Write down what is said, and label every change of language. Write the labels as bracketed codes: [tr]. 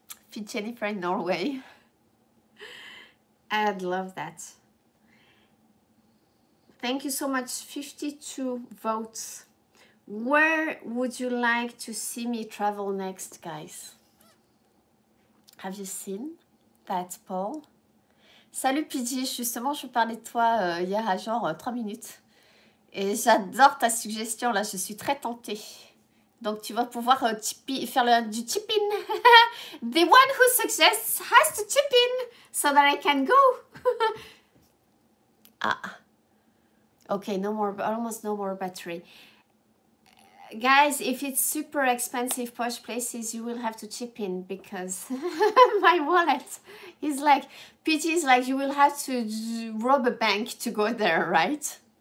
[en] Fit Jennifer in Norway. I'd love that. Thank you so much. 52 votes. Where would you like to see me travel next, guys? Have you seen that poll? [fr] Salut Pidgey, justement je parlais de toi hier à genre 3 minutes. Et j'adore ta suggestion là, je suis très tentée. Donc tu vas pouvoir faire du chip-in. [en] The one who suggests has to chip in so that I can go. Ah. Okay, no more, almost no more battery. Guys, if it's super expensive posh places, you will have to chip in because my wallet is like, PG is like, you will have to rob a bank to go there, right?